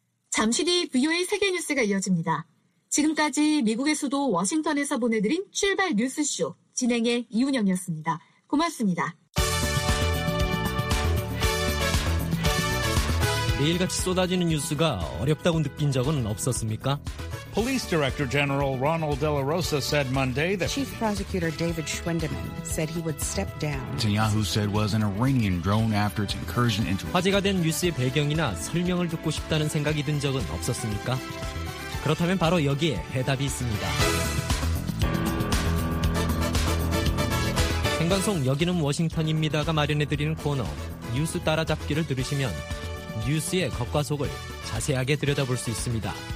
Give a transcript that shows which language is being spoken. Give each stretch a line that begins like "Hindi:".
Korean: 잠시 뒤 VOA 세계 뉴스가 이어집니다. 지금까지 미국의 수도 워싱턴에서 보내드린 출발 뉴스쇼 진행의 이운영이었습니다. 고맙습니다. 매일같이 쏟아지는 뉴스가 어렵다고 느낀 적은 없었습니까?
English: Police Director General Ronald De La Rosa said Monday that Chief Prosecutor David Schwendeman said he would step down. Netanyahu said was an Iranian drone after its incursion into
Korean: 화제가 된 뉴스의 배경이나 설명을 듣고 싶다는 생각이 든 적은 없었습니까? 그렇다면 바로 여기에 해답이 있습니다. 생방송 여기는 워싱턴입니다가 마련해드리는 코너 뉴스 따라잡기를 들으시면 뉴스의 겉과 속을 자세하게 들여다볼 수 있습니다.